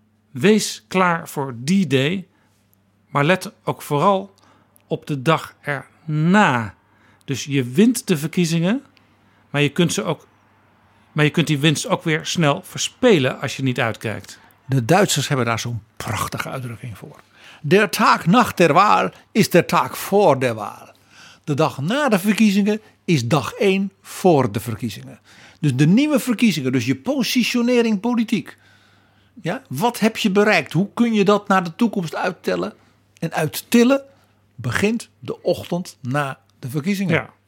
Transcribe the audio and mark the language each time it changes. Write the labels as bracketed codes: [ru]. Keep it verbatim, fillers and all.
[nl] Wees klaar voor die day, maar let ook vooral op de dag erna. Dus je wint de verkiezingen, maar je kunt ze ook, maar je kunt die winst ook weer snel verspelen als je niet uitkijkt. De Duitsers hebben daar zo'n prachtige uitdrukking voor. [de] Der Tag nach der Wahl is der Tag vor der Wahl. [nl] De dag na de verkiezingen is dag één voor de verkiezingen. Dus de nieuwe verkiezingen, dus je positionering politiek. Ja, wat heb je bereikt? Hoe kun je dat naar de toekomst uittellen? En uittillen begint de ochtend na de verkiezingen. Ja.